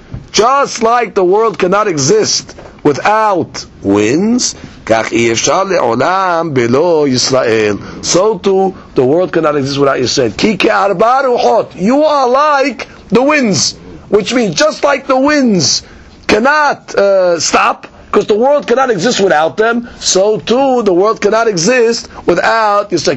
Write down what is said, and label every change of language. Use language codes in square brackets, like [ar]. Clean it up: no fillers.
[en] Just like the world cannot exist without winds, [he] כך אי אפשר לעולם בלא ישראל. [en] So too, the world cannot exist without Israel. [he] כי כארבע רוחות, [en] you are like the winds, which means just like the winds cannot stop, because the world cannot exist without them, so too the world cannot exist without Yisrael.